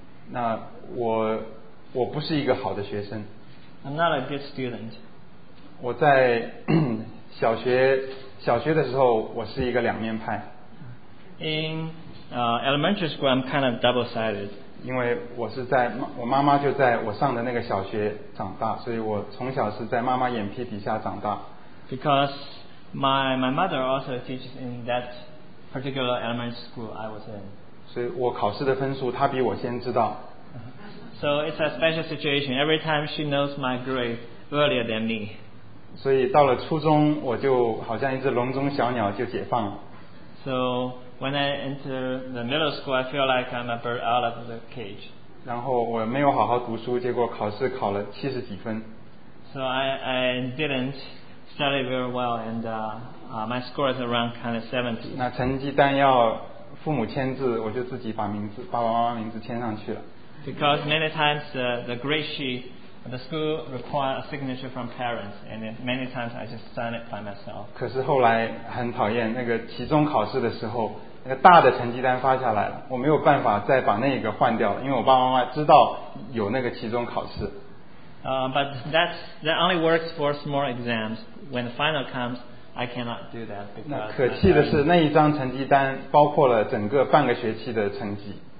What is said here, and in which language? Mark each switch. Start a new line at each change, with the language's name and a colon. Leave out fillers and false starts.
Chinese: 那我不是一个好的学生。
English: I'm not a good student.
Chinese: 我在小学的时候，我是一个两面派。
English: In elementary school, I'm kind of double-sided.
Chinese: 因为我妈妈就在我上的那个小学长大，所以我从小是在妈妈眼皮底下长大。
English: Because my mother also teaches in that particular elementary school I was in.
Chinese: 所以我考试的分数她比我先知道。
English: So it's a special situation. Every time she knows my grade earlier than me.
Chinese: 所以到了初中，我就好像一只笼中小鸟就解放了。
English: So when I enter the middle school, I feel like I'm a bird out of the cage.
Chinese: 然后我没有好好读书，结果考试考了七十几分。
English: So I didn't study very well, and my score is around kind of 70.
Chinese: 那成绩单要父母签字，我就自己把名字爸爸妈妈名字签上去了。
English: Because many times the grade sheet, the school require a signature from parents, and many times I just sign it by myself.
Chinese: 可是后来很讨厌那个期中考试的时候，那个大的成绩单发下来了，我没有办法再把那个换掉，因为我爸爸妈妈知道有那个期中考试。
English: But that only works for small exams. When the final comes, I cannot do that because.
Chinese: 那可气的是，那一张成绩单包括了整个半个学期的成绩。